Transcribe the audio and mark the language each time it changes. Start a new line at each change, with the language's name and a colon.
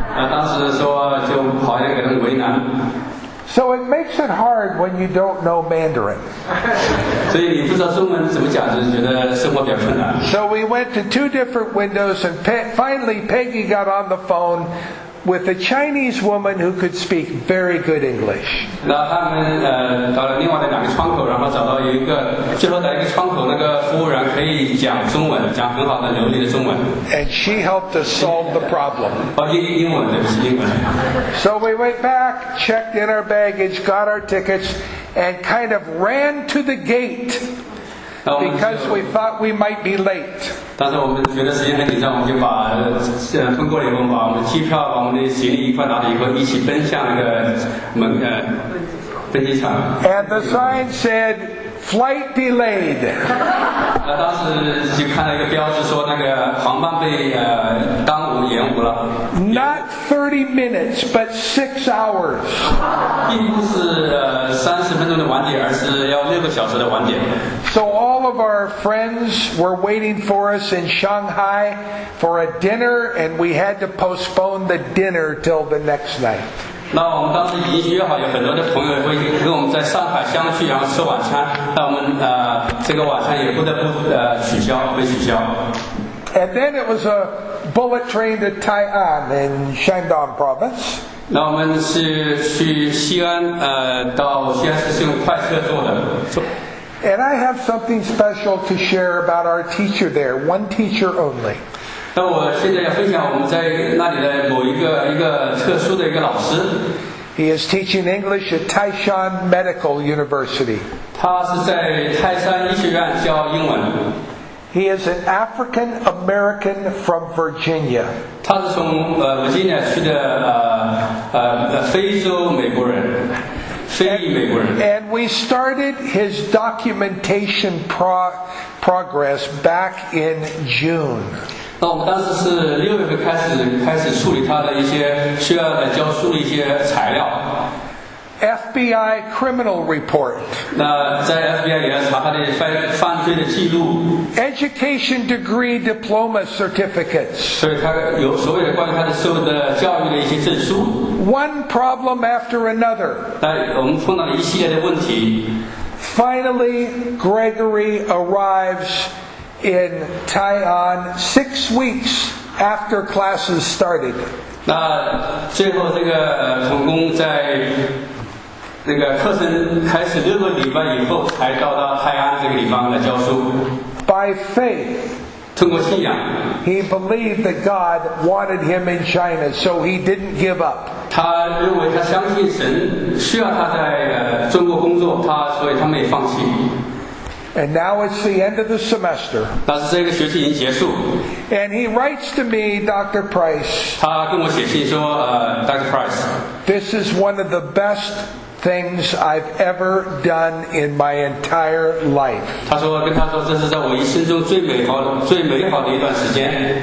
Chinese: 当时说就好像给他为难。
English: So it makes it hard when you don't know Mandarin.
Chinese: 所以你不知道中文怎么讲，就觉得生活比较困难。
English: So we went to two different windows, and finally Peggy got on the phone with a Chinese woman who could speak very good English.
Chinese: 那他们到了另外的两个窗口，然后找到一个，最后在一个窗口，那个服务员可以讲中文，讲很好的流利的中文。
English: And she helped us solve the problem.
Chinese: 英文，对不起，英文。
English: So we went back, checked in our baggage, got our tickets, and kind of ran to the gate because we thought we might be late.
Chinese: 但是我们觉得时间很紧张，我们就把通过了以后，把我们的机票、把我们的行李一块拿着以后，一起奔向那个门登机场。
English: And the sign said, "Flight delayed."
Chinese: 那当时就看到一个标志说那个航班被耽误延误了。
English: Not 30 minutes, but 6 hours.
Chinese: 并不是30分钟的晚点，而是要6个小时的晚点。
English: So all of our friends were waiting for us in Shanghai for a dinner, and we had to postpone the dinner till the next night.
Chinese: 那我们当时已经约好，有很多的朋友会跟我们在上海相聚，然后吃晚餐。那我们这个晚餐也不得不取消，被取消。
English: And then it was a bullet train to Tai'an in Shandong province.
Chinese: 那我们是去西安，到西安是用快车坐的。
English: And I have something special to share about our teacher there, one teacher only.
Chinese: 那我现在要分享我们在那里的某一个特殊的一个老师。
English: He is teaching English at Taishan Medical University.
Chinese: 他是在泰山医学院教英文。
English: He is an African American from Virginia.
Chinese: 他是从Virginia 去的非洲美国人，非裔美国人。
English: And we started his documentation progress back in June.
Chinese: 那我们当时是六月份开始处理他的一些需要的交出的一些材料。
English: FBI criminal report.
Chinese: 那在 FBI 里查他的犯罪的记录。
English: Education degree diploma certificates.
Chinese: 所以他有所谓的关于他的受的教育的一些证书。
English: One problem after another.
Chinese: 那我们碰到了一系列的问题。
English: Finally, Gregory arrives in Tai'an 6 weeks after classes started.
Chinese: 那最后这个童工在那个课程开始六个礼拜以后，才到达泰安这个地方来教书。
English: By faith，
Chinese: 通过信仰
English: ，He believed that God wanted him in China， so he didn't give up。
Chinese: 他认为他相信神需要他在中国工作，所以他没放弃。
English: And now it's the end of the semester.
Chinese: 但是这个学期已经结束。
English: And he writes to me, Dr. Price。
Chinese: 他跟我写信说，Dr. Price。
English: This is one of the best。 Things I've ever done in my entire life.
Chinese: 他说跟他说这是在我一生中最美好的一段时间。